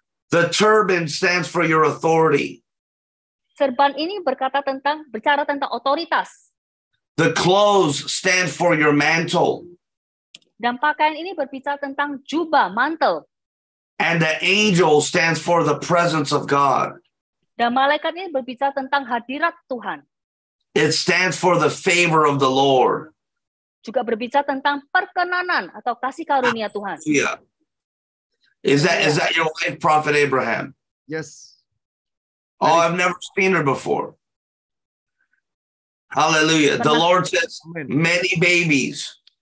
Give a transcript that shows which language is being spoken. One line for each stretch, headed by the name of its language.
English: The turban stands for your authority.
Indonesian: Serban ini bicara tentang otoritas.
English: The clothes stand for your mantle.
Indonesian: Dan pakaian ini berbicara tentang jubah, mantel.
English: And the angel stands for the presence of God.
Indonesian: Dan malaikat ini berbicara tentang hadirat Tuhan.
English: It stands for the favor of the Lord.
Indonesian: Juga berbicara tentang perkenanan atau kasih karunia Tuhan.
English: Yeah. Is that your wife, Prophet Abraham? Yes. Oh, I've never seen her before. Hallelujah. The Lord says many babies.